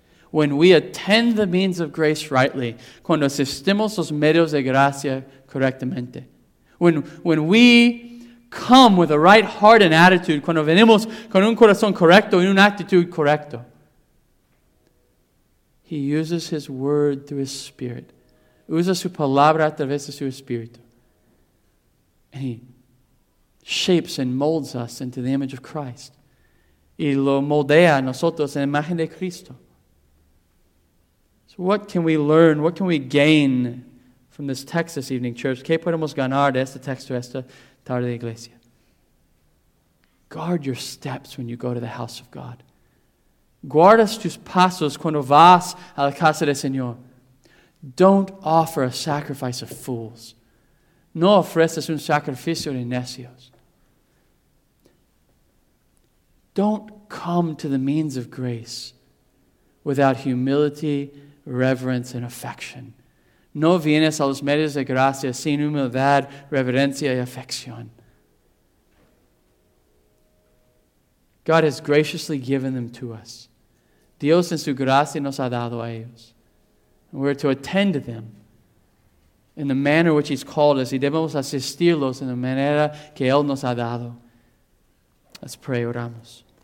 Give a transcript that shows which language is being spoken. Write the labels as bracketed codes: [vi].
[en] When we attend the means of grace rightly. [es] Cuando asistimos los medios de gracia correctamente. [en] When we come with a right heart and attitude. [es] Cuando venimos con un corazón correcto y una actitud correcta. [en] He uses His Word through His Spirit. [es] Usa su palabra a través de su Espíritu. [en] And He shapes and molds us into the image of Christ. [es] Y lo moldea a nosotros en imagen de Cristo. [en] So what can we learn? What can we gain from this text this evening, church? [es] ¿Qué podemos ganar de este texto esta tarde de iglesia? [en] Guard your steps when you go to the house of God. [es] Guardas tus pasos cuando vas a la casa del Señor. [en] Don't offer a sacrifice of fools. [es] No ofreces un sacrificio de necios. [en] Don't come to the means of grace without humility, reverence, and affection. [es] No vienes a los medios de gracia sin humildad, reverencia, y afección. [en] God has graciously given them to us. [es] Dios en su gracia nos ha dado a ellos. [en] And we're to attend to them in the manner which He's called us. [es] Y debemos asistirlos en la manera que Él nos ha dado. [en] Let's pray, oramos.